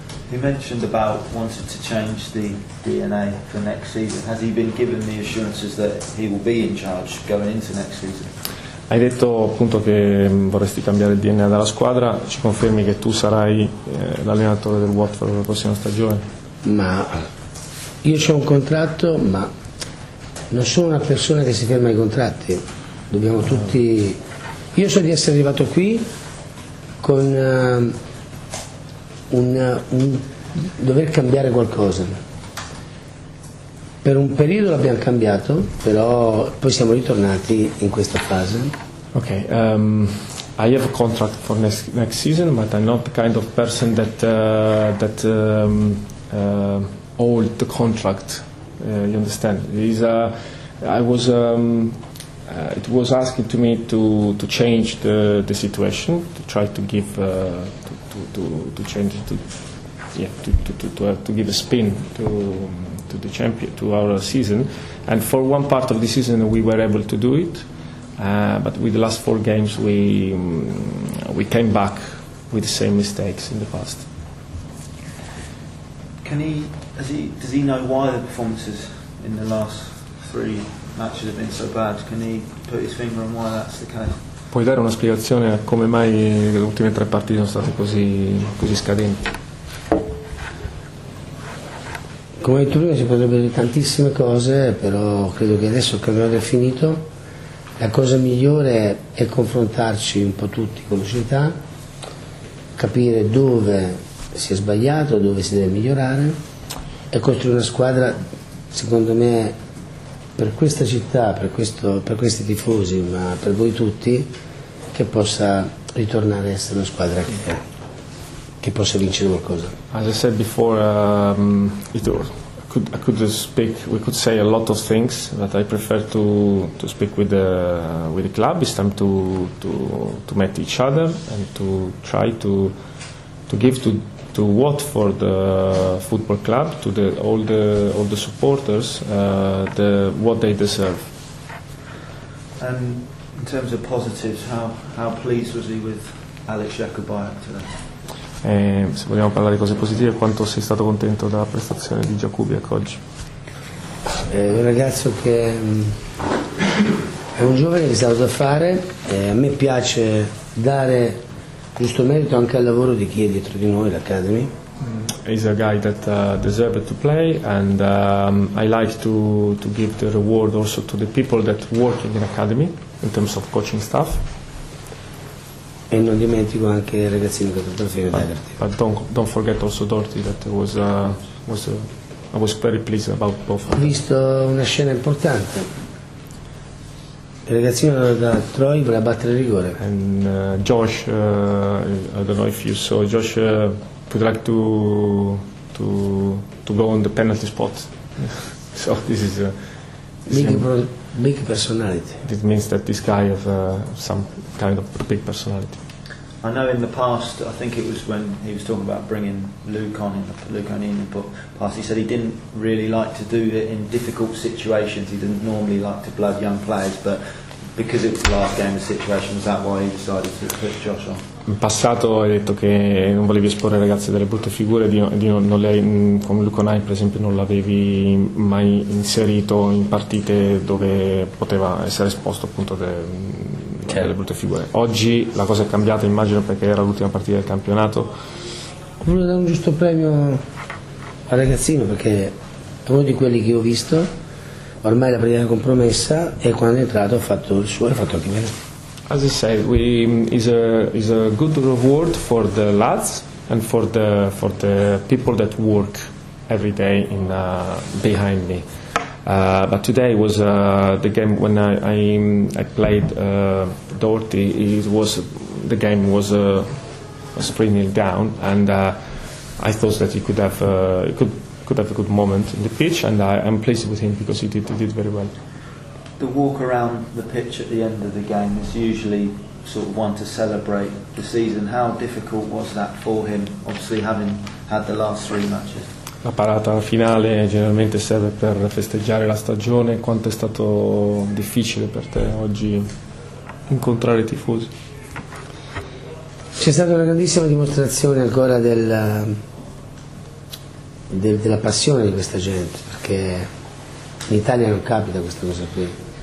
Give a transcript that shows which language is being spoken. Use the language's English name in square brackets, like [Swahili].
[English] He mentioned about wanting to change the DNA for next season. Has he been given the assurances that he will be in charge going into next season? [Italian] Hai detto appunto che vorresti cambiare il DNA della squadra. Ci confermi che tu sarai l'allenatore del Watford per la prossima stagione? Ma io c'ho un contratto, ma non sono una persona che si ferma ai contratti. Dobbiamo tutti. Io so di essere arrivato qui con un dover cambiare qualcosa. Per un periodo l'abbiamo cambiato, però poi siamo ritornati in questa fase. [English] Ok, I have a contract for next season, but I'm not the kind of person that hold the contract. You understand? It was asking to me to change the situation, to try to give to give a spin to the champion, to our season, and for one part of the season we were able to do it, but with the last four games we came back with the same mistakes in the past. Does he know why the performances in the last three matches have been so bad? Can he put his finger on why that's the case? [Italian] Puoi dare una spiegazione a come mai le ultime tre partite sono state così scadenti? Come hai detto prima, si potrebbero dire tantissime cose, però credo che adesso il campionato è finito. La cosa migliore è confrontarci un po' tutti con la società, capire dove si è sbagliato, dove si deve migliorare e costruire una squadra, secondo me, per questa città, per questi tifosi, ma per voi tutti, che possa ritornare a essere una squadra che possa vincere qualcosa. [English] As I said before, we could say a lot of things, but I prefer to speak with the club. It's time to meet each other and to try to give to Watford the football club, to all the supporters, what they deserve. And in terms of positives, how pleased was he with Alex Jacobi today? [Italian] Se vogliamo parlare di cose positive, quanto sei stato contento della prestazione di Jakubiak oggi? È un ragazzo che è un giovane che sa cosa fare, a me piace dare giusto merito anche al lavoro di chi è dietro di noi, l'Academy. [English] He's a guy that deserves to play and I like to give the reward also to the people that work in the Academy in terms of coaching staff. [Italian] e non dimentico anche il ragazzino che ha fatto la fine d'Everty. [English] But don't forget also Doherty, that I was very pleased about both. [Italian] Ho visto una scena importante. Il ragazzino da Troy vuole battere il rigore. [English] And Josh, I don't know if you saw, Josh would like to go on the penalty spot. So this is big personality. It means that this guy has some kind of big personality. I know in the past, I think it was when he was talking about bringing Luke on in the past, he said he didn't really like to do it in difficult situations. He didn't normally like to blood young players, but because it was the last game, the situation was that why he decided to put Josh on. [Italian] In passato hai detto che non volevi esporre ragazzi delle brutte figure, come Luke on in, per esempio, non l'avevi mai inserito in partite dove poteva essere esposto appunto delle brutte figure. Oggi la cosa è cambiata, immagino, perché era l'ultima partita del campionato. Volevo dare un giusto premio al ragazzino, perché è uno di quelli che ho visto, ormai la partita è compromessa, e quando è entrato ha fatto il suo e ha fatto anche meno. [English] As I said, we is a good reward for the lads and for the people that work every day behind me. But today was the game when I played Doherty. The game was 3-0 down, and I thought that he could have a good moment in the pitch, and I'm pleased with him because he did very well. The walk around the pitch at the end of the game is usually sort of one to celebrate the season. How difficult was that for him, obviously having had the last three matches? [Italian] La parata finale generalmente serve per festeggiare la stagione. Quanto è stato difficile per te oggi incontrare i tifosi? C'è stata una grandissima dimostrazione ancora della passione di questa gente, perché in Italia non capita questa cosa qui.